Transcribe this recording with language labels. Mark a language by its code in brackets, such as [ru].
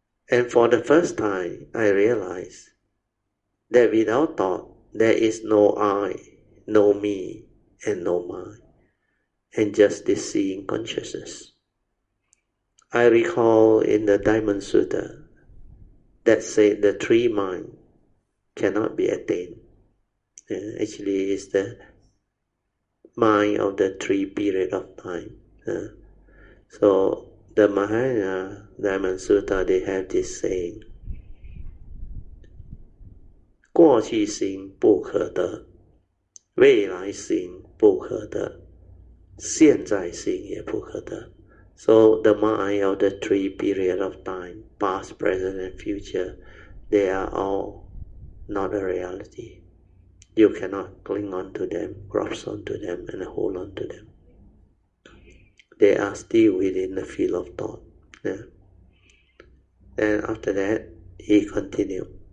[en] And for the first time, I realized that without thought, there is no I, no me, and no mind, and just this seeing consciousness. I recall in the Diamond Sutta that said the three mind cannot be attained. Actually, it's the mind of the three period of time. So the Mahayana Diamond Sutta, they have this saying, [zh] 过去心不可得, 未来心不可得, 现在心也不可得. [en] So the mind of the three period of time, past, present, and future, they are all not a reality. You cannot cling on to them, grasp on to them, and hold on to them. They are still within the field of thought. Then after that, he continued.